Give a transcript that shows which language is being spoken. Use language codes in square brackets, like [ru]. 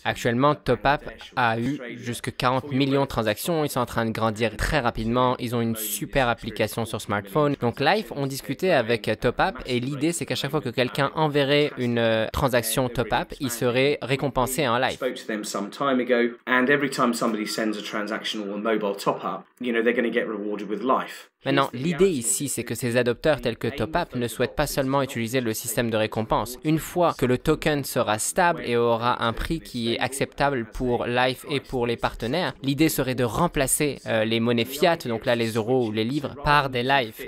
[fr] Actuellement, TopUp a eu jusqu'à 40 millions de transactions. Ils sont en train de grandir très rapidement. Ils ont une super application sur smartphone. Donc Life ont discuté avec TopUp et l'idée c'est qu'à chaque fois que quelqu'un enverrait une transaction TopUp, il serait récompensé en Life. [en] To them some time ago, and every time somebody sends a transaction or a mobile top up, you know, they're going to get rewarded with Life. [fr] Maintenant, l'idée ici, c'est que ces adopteurs tels que TopUp ne souhaitent pas seulement utiliser le système de récompense. Une fois que le token sera stable et aura un prix qui est acceptable pour Life et pour les partenaires, l'idée serait de remplacer les monnaies fiat, donc là les euros ou les livres, par des Life.